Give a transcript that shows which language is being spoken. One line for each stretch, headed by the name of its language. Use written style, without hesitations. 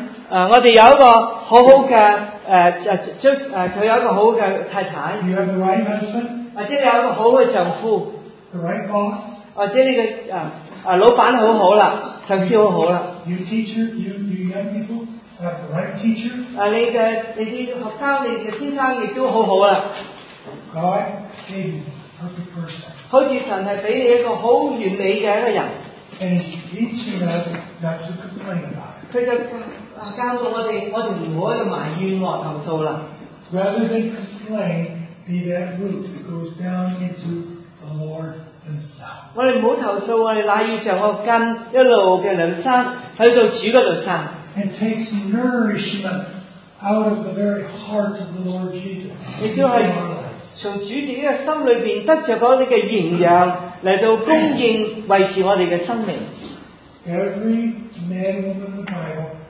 Cantonese: 我哋有一个好好嘅佢有一个好好嘅太太。
English: You have the right husband。
Cantonese: 或者你有一个好嘅丈夫。
English: The right boss。
Cantonese: 或者你嘅老板好好啦，上司好好啦。
English: You teacher, you young people have the right teacher。
Cantonese: 你嘅学生，你嘅先生亦都好好啦。
English: God gave you the perfect person。
Cantonese: 好似神系俾你一个好完美嘅一个人。
English: And he's teaching us not to complain about it。
Cantonese: 佢就。教到我哋唔好喺度埋怨喎，投訴啦。
English: Rather than complain, be that root that goes down into the Lord Himself。
Cantonese: 我哋唔好投訴，我哋乃要像個根一路嘅兩生喺度主嗰度生。
English: And takes nourishment out of the very heart of the Lord Jesus。
Cantonese: 亦都係從主自己嘅心裏邊得著嗰啲嘅營養嚟到供應維持我哋嘅生命。
English: Every man woman in the Bible。